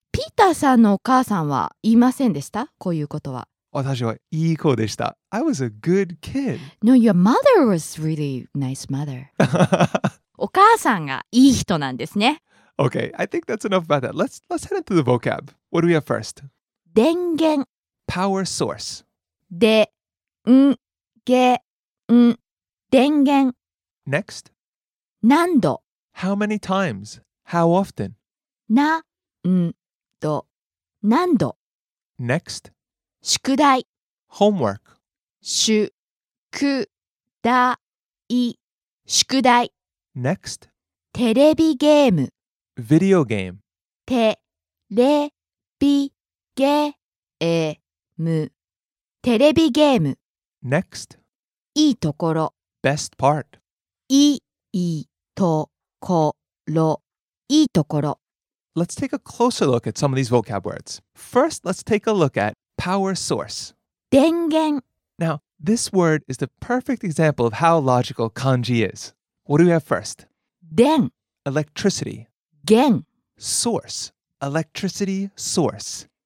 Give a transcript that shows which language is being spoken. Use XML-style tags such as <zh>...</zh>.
<ja>ピーターさんのお母さんは言いませんでした？こういうことは。私はいい子でした。</ja> <en>I was a good kid. No, your mother was really nice mother.</en> <ja>お母さんがいい人なんですね。</ja> <en>Okay, I think that's enough about that. Let's head into the vocab. What do we have first?</en> <ja>電源。</ja> <en>Power source.</en> <ja>電源。電源。</ja> <en>Next.</en> <ja>何度。</ja> <en>How many times? How often?</en> <ja>何度。何度。</ja> <en>Next.</en> <ja>宿題。</ja> <en>homework.</en> <ja>宿題宿題</ja> <en>Next.</en> <ja>テレビゲーム</ja> <en>Video game.</en> <ja>テレビゲームテレビゲーム</ja> <en>Next.</en> <ja>いいところ</ja> <en>Best part.</en> <ja>いいところいいところ</ja> <en>Let's take a closer look at some of these vocab words. First, let's take a look at power source.</en> <ja>電源</ja> <en>Now, this word is the perfect example of how logical kanji is. What do we have first?</en> <ja>電</ja> <en>Electricity</en> <ja>源</ja> <en>Source Electricity source</en>